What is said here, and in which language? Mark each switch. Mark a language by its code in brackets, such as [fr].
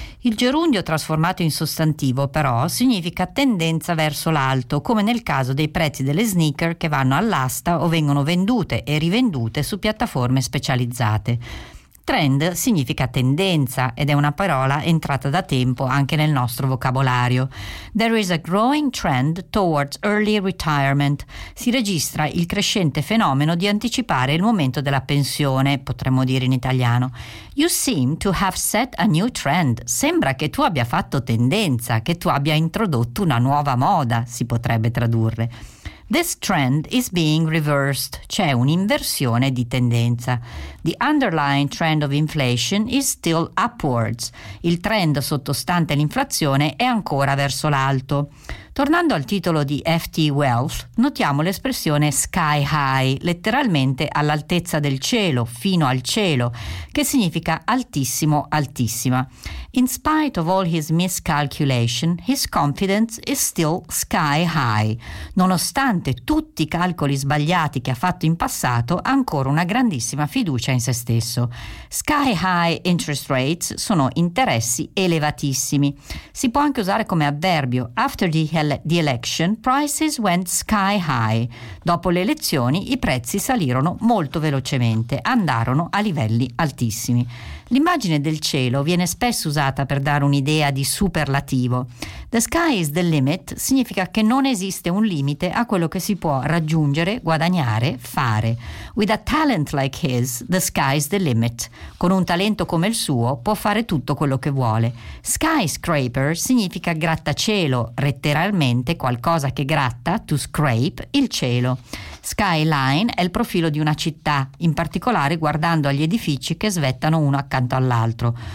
[it] Il gerundio trasformato in sostantivo però significa tendenza verso l'alto, come nel caso dei prezzi delle sneaker che vanno all'asta o vengono vendute e rivendute su piattaforme specializzate. Trend significa tendenza ed è una parola entrata da tempo anche nel nostro vocabolario. [en] There is a growing trend towards early retirement. [it] Si registra il crescente fenomeno di anticipare il momento della pensione, potremmo dire in italiano. [en] You seem to have set a new trend. [it] Sembra che tu abbia fatto tendenza, che tu abbia introdotto una nuova moda, si potrebbe tradurre. [en] This trend is being reversed. [it] C'è un'inversione di tendenza. [en] The underlying trend of inflation is still upwards. [it] Il trend sottostante l'inflazione è ancora verso l'alto. Tornando al titolo di FT Wealth, notiamo l'espressione sky high, letteralmente all'altezza del cielo, fino al cielo, che significa altissimo, altissima. [en] In spite of all his miscalculation, his confidence is still sky high. [it] Nonostante tutti i calcoli sbagliati che ha fatto in passato, ha ancora una grandissima fiducia in se stesso. [en] Sky high interest rates [it] sono interessi elevatissimi. Si può anche usare come avverbio [en] after the election, prices went sky high. [it] Dopo le elezioni, i prezzi salirono molto velocemente, andarono a livelli altissimi. L'immagine del cielo viene spesso usata per dare un'idea di superlativo. [en] The sky is the limit [it] significa che non esiste un limite a quello che si può raggiungere, guadagnare, fare. [en] With a talent like his, the sky is the limit. [it] Con un talento come il suo, può fare tutto quello che vuole. Skyscraper significa grattacielo, letteralmente qualcosa che gratta, to scrape, il cielo. Skyline è il profilo di una città, in particolare guardando agli edifici che svettano uno accanto all'altro.